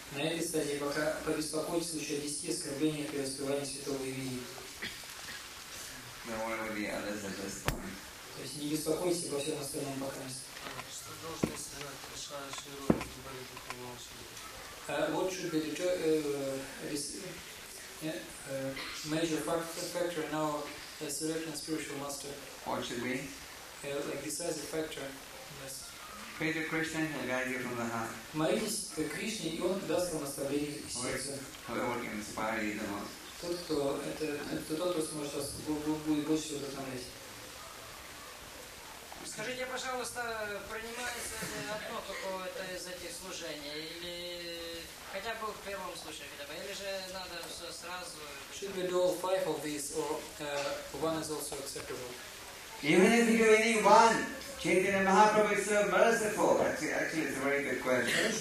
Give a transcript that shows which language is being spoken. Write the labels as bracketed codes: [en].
[en] Don't worry about the others at this point. What should be major factor in our selection spiritual master? What should be? Like decisive factor. Yes. Pray to Krishna, he'll guide you from the heart. [ru] Молитесь Кришне, и Он даст вам наставление к сердцу. [en] Whoever can inspire you the most. [ru] Тот, кто это тот, кто сможет вас будет больше всего вдохновлять. Скажите, пожалуйста, принимается ли одно какое-то из этих служений, или хотя бы в первом случае, хотя бы, или же надо все сразу? [en] Should we do all five of these, or one is also acceptable? Even if you do any one, Chaitanya Mahaprabhu is so merciful. Actually, it's a very good question.